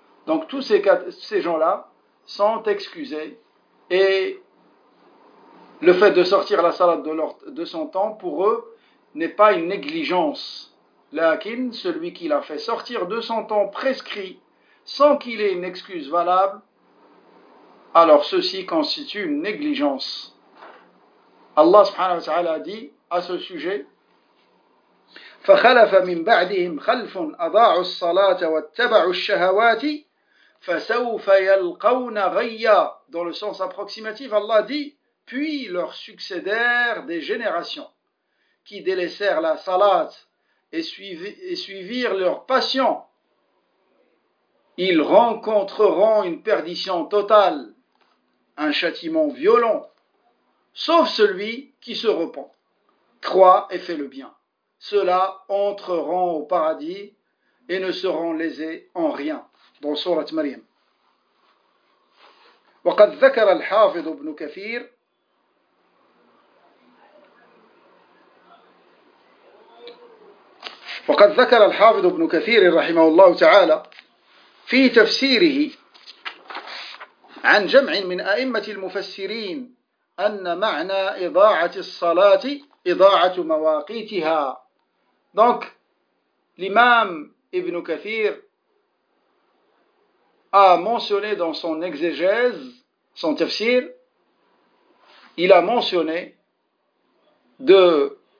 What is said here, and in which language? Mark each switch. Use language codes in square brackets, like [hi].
[fr] Donc tous ces gens-là sont excusés et le fait de sortir la salat de son temps, pour eux, n'est pas une négligence. Lakin, celui qui l'a fait sortir de son temps prescrit sans qu'il ait une excuse valable, alors ceci constitue une négligence. Allah subhanahu wa ta'ala a dit à ce sujet: [ar] فخلف من بعدهم خلف أضاعوا الصلاة واتبعوا الشهوات فسوف يلقون غيا. [fr] Dans le sens approximatif, Allah dit: puis leur succédèrent des générations qui délaissèrent la salat et suivirent leurs passions. Ils rencontreront une perdition totale, un châtiment violent, sauf celui qui se repent, croit et fait le bien. Ceux-là entreront au paradis et ne seront lésés en rien. Dans sourate Maryam. [ar] وقد ذكر الحافظ ابن كثير وقد ذكر الحافظ ابن كثير رحمه الله تعالى في تفسيره عن جمع من أئمة المفسرين أن معنى إضاعة الصلاة إضاعة مواقيتها. [fr] Donc, l'imam Ibn Kathir a mentionné dans son exégèse, son tafsir, il a mentionné de